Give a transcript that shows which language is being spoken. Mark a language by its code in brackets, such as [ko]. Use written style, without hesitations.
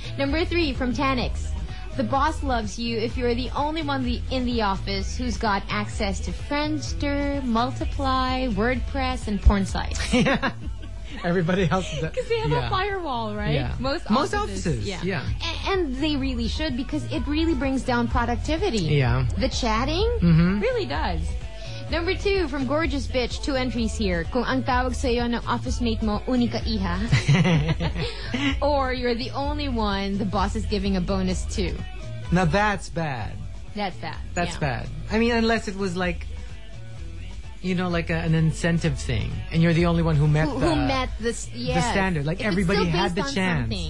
[en] Number three from Tanix. The boss loves you if you're the only one in the office who's got access to Friendster, Multiply, WordPress, and porn sites. Everybody else does. Because they have a firewall, right? Yeah. Most offices. And they really should because it really brings down productivity. Yeah. The chatting really does. Number two from Gorgeous Bitch, two entries here. [tl] Kung ang tawag sa'yo ng office mate mo, unika iha. [en] Or you're the only one the boss is giving a bonus to. Now that's bad. That's bad. That's bad. I mean, unless it was like, you know, like an incentive thing. And you're the only one who met the standard. Like, if everybody had the chance.